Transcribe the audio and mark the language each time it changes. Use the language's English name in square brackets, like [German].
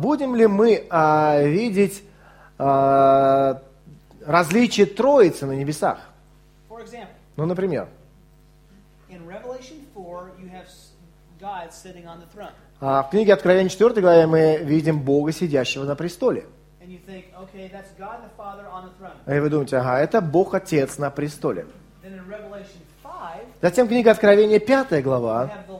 [Russian] Будем ли мы видеть различие Троицы на небесах? [English] For example, [Russian] ну, например. [English] In Revelation 4 you have God sitting on the throne. [Russian] В книге Откровения 4 главе мы видим Бога, сидящего на престоле. [English] And you think, okay, that's God the Father on the throne. [Russian] И вы думаете, ага, это Бог Отец на престоле. [English] Then in Revelation 5, [Russian] затем книга Откровения 5 глава.